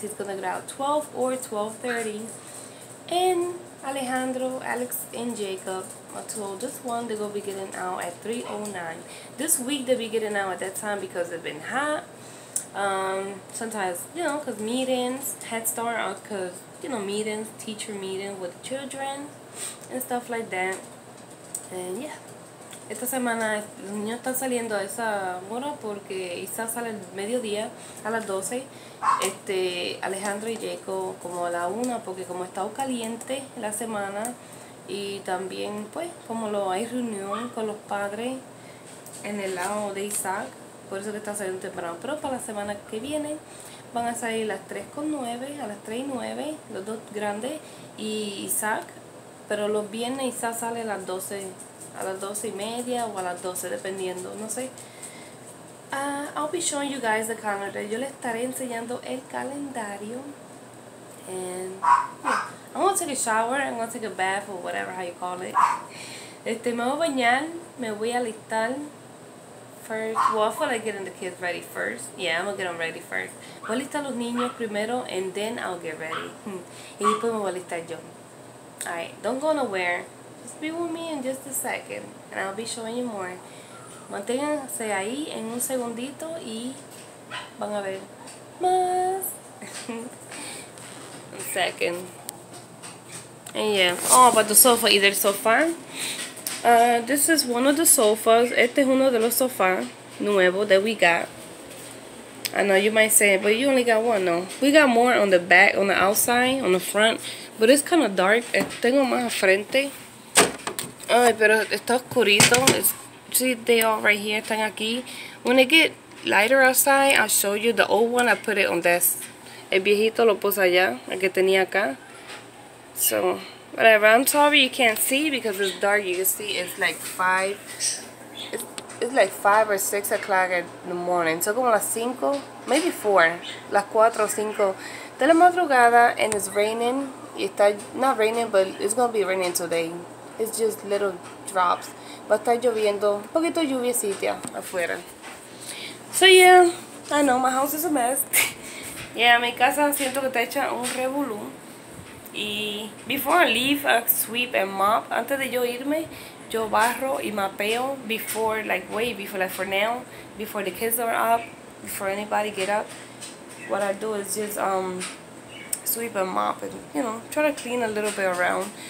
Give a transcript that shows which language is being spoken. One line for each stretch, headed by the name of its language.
English: He's going to get out 12 or 12:30. And Alejandro, Alex, and Jacob, my two oldest ones, they're going to be getting out at 3:09. This week, they'll be getting out at that time because it's been hot. Sometimes, you know, because meetings, Head Start, because, you know, meetings, teacher meetings with children and stuff like that. And, yeah.
Spanish: Esta semana los niños están saliendo a esa hora porque quizás sale el mediodía a las 12. Alejandro y Jacob como a la 1 porque como ha estado caliente la semana y también pues como lo hay reunión con los padres en el lado de Isaac, por eso que está saliendo temprano. Pero para la semana que viene van a salir las 3 con 9, a las 3 y 9, los dos grandes y Isaac, pero los viernes quizás sale a las 12. A las 12 y media o a las 12, dependiendo, no sé.
English: I'll be showing you guys the calendar. Yo le estaré enseñando el calendario. And yeah, I'm gonna take a shower, I'm gonna take a bath or whatever how you call it.
Spanish: Me voy a bañar, me voy a alistar first.
English: Well, I feel like getting the kids ready first. Yeah, I'm gonna get them ready first. Voy a alistar los niños primero and then I'll get ready.
Spanish: Y después me voy a alistar yo. Alright, don't go nowhere.
English: Just be with me in just a second, and I'll be showing you more.
Spanish: Manténganse ahí en un segundito y van a ver más.
English: A second. And yeah, oh, about the sofa, either sofa. This is one of the sofas. Este es uno de los sofás nuevos that we got. I know you might say, but you only got one, no. We got more on the back, on the outside, on the front.
Spanish: But it's kind of dark. Tengo más frente. Ay, pero está oscurito.
English: See, they all right here. Están aquí. When they get lighter outside, I'll show you the old one. I put it on this.
Spanish: El viejito lo puse allá. El que tenía acá. So, whatever.
English: I'm sorry you can't see because it's dark. You can see it's like 5. It's like 5 or 6 o'clock in the morning. So, como las 5. Maybe 4.
Spanish: Las 4 o 5. De la madrugada. And it's raining.
English: Y está, not raining, but it's going to be raining today. It's just little drops. Va a estar lloviendo. Un poquito de lluviecita afuera. So yeah. I know my house is a mess.
Spanish: Yeah, mi casa siento que está hecha un revolú.
English: Y before I leave, I sweep and mop.
Spanish: Antes de yo irme, yo barro y mapeo. Before, like way before, like for now.
English: Before the kids are up. Before anybody get up. What I do is just sweep and mop and, you know, try to clean a little bit around.